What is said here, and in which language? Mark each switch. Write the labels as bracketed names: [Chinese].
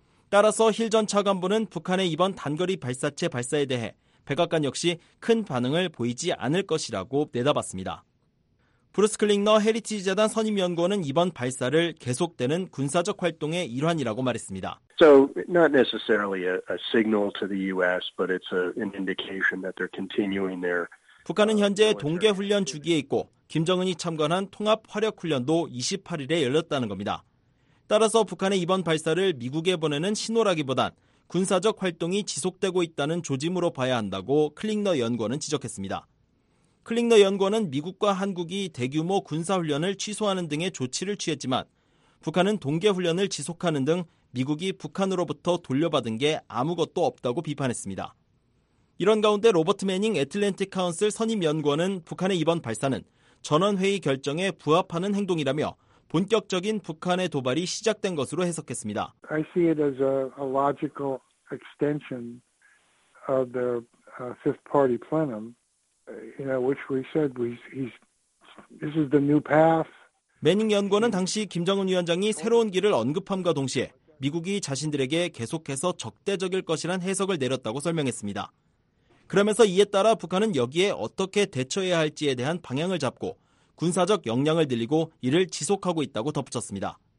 [Korean] 따라서 힐 전 차관보는 북한의 이번 단거리 발사체 발사에 대해 백악관 역시 큰 반응을 보이지 않을 것이라고 내다봤습니다. 브루스 클링너 헤리티지 재단 선임연구원은 이번 발사를 계속되는 군사적 활동의 일환이라고 말했습니다. [English] So not necessarily a signal to the U.S., but it's an indication that they're continuing their [Korean] 북한은 현재 동계훈련 주기에 있고 김정은이 참관한 통합화력훈련도 28일에 열렸다는 겁니다. 따라서 북한의 이번 발사를 미국에 보내는 신호라기보단 군사적 활동이 지속되고 있다는 조짐으로 봐야 한다고 클링너 연구원은 지적했습니다. 클링너 연구원은 미국과 한국이 대규모 군사훈련을 취소하는 등의 조치를 취했지만 북한은 동계훈련을 지속하는 등 미국이 북한으로부터 돌려받은 게 아무것도 없다고 비판했습니다. 이런 가운데 로버트 매닝 애틀랜틱 카운슬 선임 연구원은 북한의 이번 발사는 전원회의 결정에 부합하는 행동이라며 본격적인 북한의 도발이 시작된 것으로 해석했습니다. [English] I see it as a logical extension of the fifth party plenum, you know, which we said this is the new path. [Korean] 매닝 연구원은 당시 김정은 위원장이 새로운 길을 언급함과 동시에 미국이 자신들에게 계속해서 적대적일 것이란 해석을 내렸다고 설명했습니다. 그러면서 이에 따라 북한은 여기에 어떻게 대처해야 할지에 대한 방향을 잡고 군사적 역량을 늘리고 이를 지속하고 있다고 덧붙였습니다.